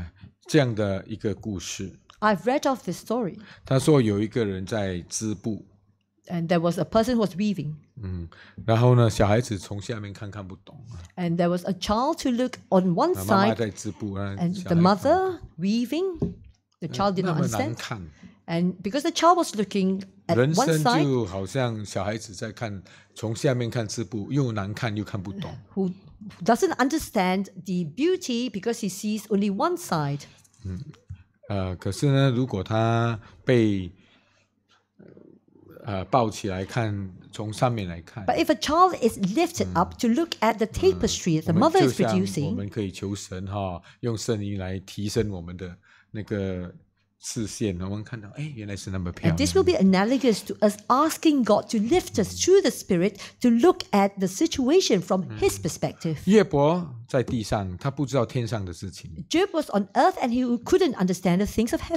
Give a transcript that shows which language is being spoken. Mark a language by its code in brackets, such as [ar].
[zh] 我曾经读过这样的一个故事。 [en] I've read of this story. [zh] 他说有一个人在织布。 [en] And there was a person who was weaving. [zh] 然后呢， 小孩子从下面看看不懂。 [en] And there was a child to look on one side. [zh] 妈妈在织布， [en] and the mother weaving. The child did not understand. And because the child was looking at one side. [zh] 人生就好像小孩子在看，从下面看织布， 又难看又看不懂。 [en] Who doesn't understand the beauty because he sees only one side. [zh] 可是呢， 如果他被 抱起来看，从上面来看。 [en] But if a child is lifted up to look at the tapestry that the mother is producing, [zh] 我们可以求神，用圣灵来提升我们的那个视线， 我们看到，原来是那么漂亮。 [en] And this will be analogous to us asking God to lift us through the Spirit to look at the situation from His perspective. [zh] 约伯在地上, [en] Job was on earth and he couldn't understand the things of heaven.